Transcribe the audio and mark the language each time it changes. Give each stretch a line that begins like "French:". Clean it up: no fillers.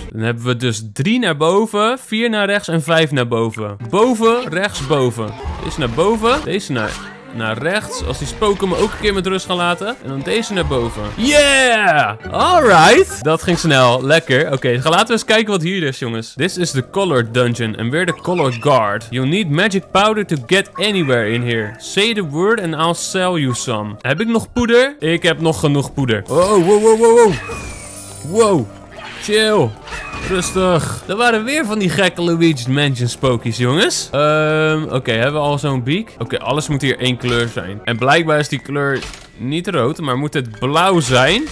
Dutch: Dan hebben we dus 3 naar boven, 4 naar rechts en 5 naar boven. Boven, rechts, boven. Deze naar boven, deze naar rechts. Als die spoken me ook een keer met rust gaan laten. En dan deze naar boven.
English: Yeah! Alright!
Dutch: Dat ging snel. Lekker. Oké, laten we eens kijken wat hier is, jongens.
English: This is the color dungeon and we're the color guard. You'll need magic powder to get anywhere in here. Say the word and I'll sell you some.
Dutch: Heb ik nog poeder? Ik heb nog genoeg poeder. Oh, wow, wow, wow, wow. Wow. Chill. Rustig. Er waren weer van die gekke Luigi's Mansion spookies, jongens. Oké, hebben we al zo'n beak? Oké, alles moet hier 1 kleur zijn. En blijkbaar is die kleur niet rood, maar moet het blauw zijn?